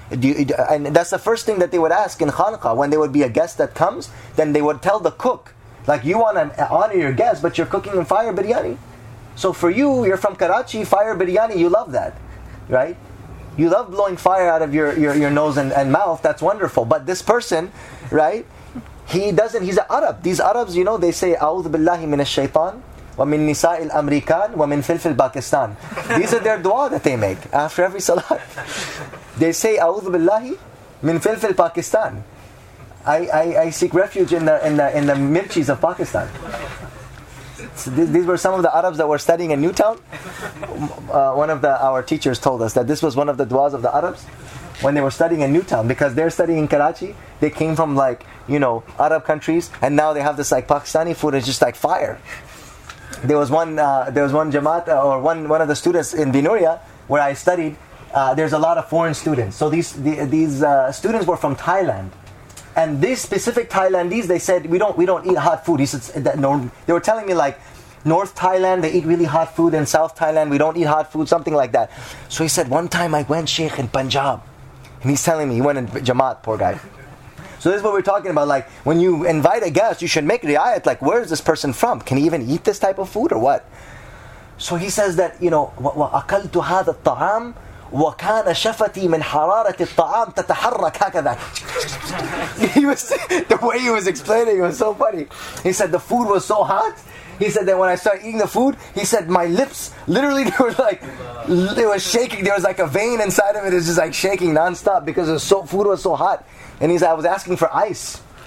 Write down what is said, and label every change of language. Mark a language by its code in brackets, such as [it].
[en] And that's the first thing that they would ask in Khanqa. When there would be a guest that comes, then they would tell the cook, like, you want to honor your guest, but you're cooking in fire biryani. So for you, you're from Karachi, fire biryani, you love that, right? You love blowing fire out of your nose and mouth, that's wonderful. But this person, right, he's an Arab. These Arabs, you know, they say, [ar] أعوذ بالله من الشيطان ومن نساء الأمريكان ومن فلفل باكستان. [en] These are their dua that they make after every salat. They say, [ar] أعوذ بالله من فلفل باكستان. [en] I seek refuge in the mirchis of Pakistan. So these were some of the Arabs that were studying in Newtown. One of our teachers told us that this was one of the du'as of the Arabs when they were studying in Newtown, because they're studying in Karachi. They came from, like, you know, Arab countries, and now they have this like Pakistani food. It's just like fire. There was one Jamaat or one of the students in Dinuria where I studied. There's a lot of foreign students. So these students were from Thailand. And these specific Thailandese, they said, we don't eat hot food. He said that they were telling me, like, North Thailand, they eat really hot food, and South Thailand, we don't eat hot food, something like that. So he said, one time I went, Sheikh, in Punjab. And he's telling me, he went in Jamaat, poor guy. So this is what we're talking about. Like, when you invite a guest, you should make riayat, like, where is this person from? Can he even eat this type of food or what? So he says that, you know, [ar] وَأَكَلْتُ هَذَا الطَّعَامُ وَكَانَ شَفَتِي مِنْ حَرَارَةِ الطَّعَامِ تَتَحَرَّكَ هَكَذَا. [en] The way he was explaining, it was so funny. He said the food was so hot. He said that when I started eating the food, he said my lips, literally, they were like, they were shaking. There was like a vein inside of it. It was just like shaking nonstop because the food was so hot. And he said, I was asking for ice.